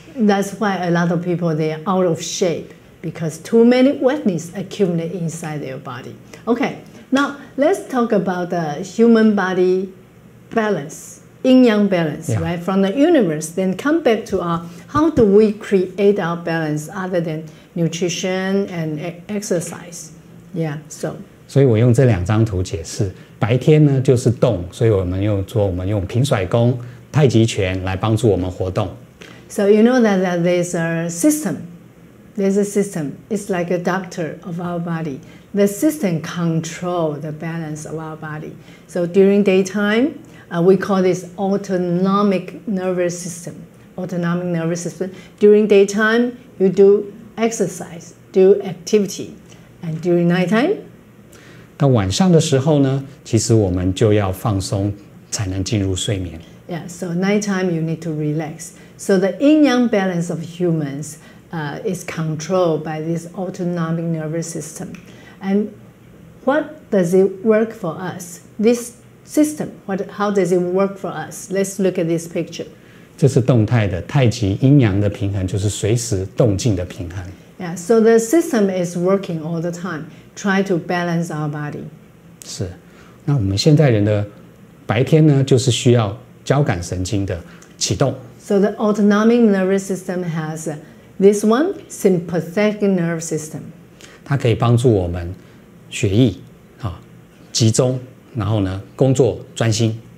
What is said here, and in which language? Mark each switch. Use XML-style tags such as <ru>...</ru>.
<en>That's why a lot of people, they are out of shape because too many wetness accumulate inside their body. Okay, now let's talk about the human body balance, yin-yang balance, yeah. right? From the universe, then come back to our, how do we create our balance other than nutrition and exercise? Yeah, so.</en> <zh>所以我用这两张图解释。白天呢就是动，所以我们用平甩功、太极拳来帮助我们活动。</zh> <en>So you know that there's a system. There's a system. It's like a doctor of our body. The system controls the balance of our body. So during daytime, we call this autonomic nervous system. Autonomic nervous system. During daytime, you do exercise, do activity. And during nighttime?</en> <zh>到晚上的时候呢，其实我们就要放松，才能进入睡眠。</zh> <en>Yeah, so nighttime you need to relax. So the yin-yang balance of humans is controlled by this autonomic nervous system. And what does it work for us? This system, how does it work for us? Let's look at this picture.</en> <zh>这是动态的太极阴阳的平衡，就是随时动静的平衡。</zh> <en>Yeah, so the system is working all the time, try to balance our body.</en> <zh>是，那我们现在人的白天呢，就是需要交感神经的启动。</zh> <en>So the autonomic nervous system has this one, sympathetic nervous system.</en> <zh>它可以帮助我们血液、集中，然后呢工作专心。</zh>